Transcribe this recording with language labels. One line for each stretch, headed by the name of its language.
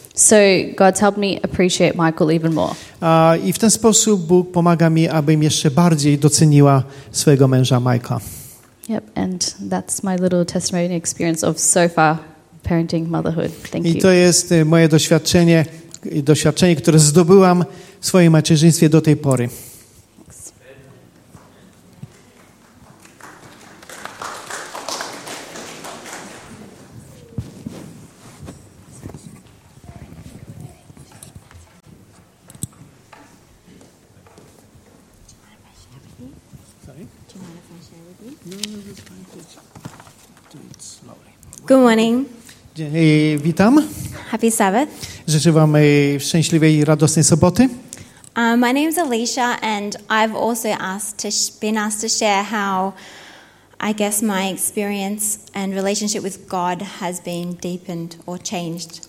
English: So God's helped me appreciate Michael even more.
Polish: I w ten sposób Bóg pomaga mi, abym jeszcze bardziej doceniła swojego męża Michaela.
English: Yep, and that's my little testimony experience of so far parenting motherhood. Thank you.
Polish: I to jest moje doświadczenie, które zdobyłam w swoim macierzyństwie do tej pory.
English: Good morning.
Polish: Witam.
English: Happy Sabbath.
Polish: Życzę wam szczęśliwej i radosnej soboty.
English: My name is Alicia and I've also been asked to share how I guess my experience and relationship with God has been deepened or changed.